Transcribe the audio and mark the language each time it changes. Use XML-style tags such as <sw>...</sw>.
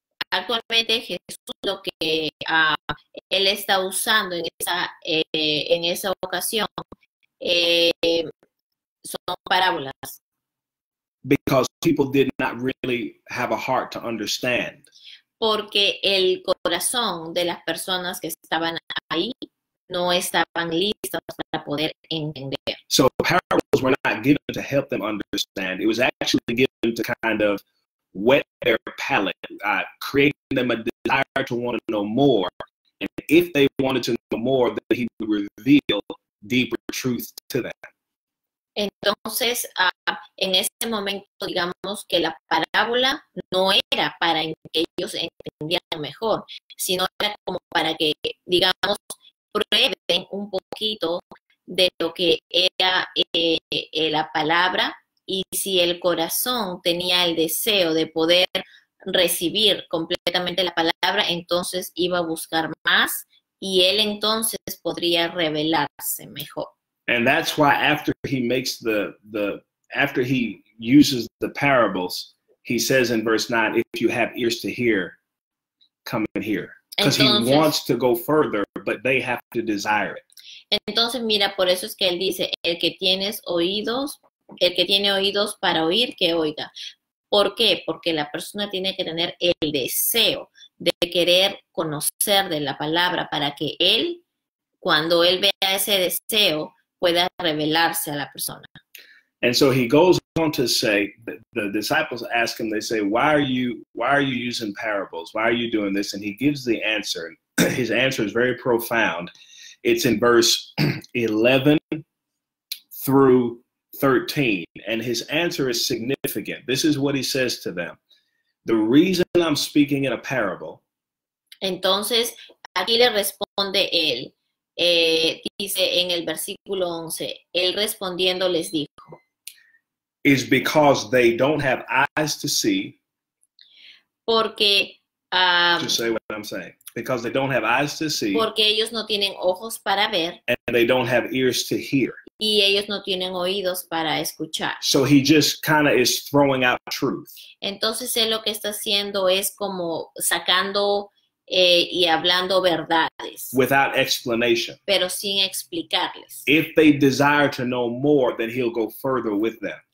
<es>Actualmente Jesús lo que él está usando en esa ocasión son parábolas.</es> <en>Because people did not really have a heart to understand.</en> <es>Porque el corazón de las personas que estaban ahí no estaban listas para poder entender.</es> <en>So parables were not given to help them understand. It was actually given to kind of whet their palate, creating them a desire to want to know more. And if they wanted to know more, then he would reveal deeper truth to them.</en> <es>Entonces, en ese momento, digamos que la parábola no era para que ellos entendieran mejor, sino era como para que, digamos, prueben un poquito de lo que era la palabra y si el corazón tenía el deseo de poder recibir completamente la palabra, entonces iba a buscar más y él entonces podría revelarse mejor.</es> <en>And that's why after he makes after he uses the parables, he says in verse 9, if you have ears to hear, come and hear. Because he</en> <es>Entonces,</es> <en>wants to go further, but they have to desire</en> <es>mira, por eso es que él dice, el que tienes oídos, el que tiene oídos para oír, que oiga. ¿Por qué? Porque la persona tiene que tener el deseo de querer conocer de la palabra para que él, cuando él vea ese deseo, pueda revelarse a la persona.</es> <en>And so he goes on to say, the disciples ask him, they say, why are you using parables? Why are you doing this? And he gives the answer. His answer is very profound. It's in verse 11 through 13. And his answer is significant. This is what he says to them. The reason I'm speaking in a parable.</en> <es>Entonces, aquí le responde él, dice en el versículo 11, él respondiendo les dijo,</es> <en>Is because they don't have eyes to see.</en> <es>porque</es> <en>Just say what I'm saying. Because they don't have eyes to see.</en> <es>ellos no tienen ojos para ver</es> <en>And they don't have ears to hear.</en> <es>y ellos no tienen oídos para escuchar.</es> <en>So he just kind of is throwing out truth.</en> <es>Entonces él lo que está haciendo es como sacando y hablando verdades,</es> <en>Without explanation.</en> <es>pero sin explicarles.</es> <en>If they desire to know more, then he'll go further with them.</en>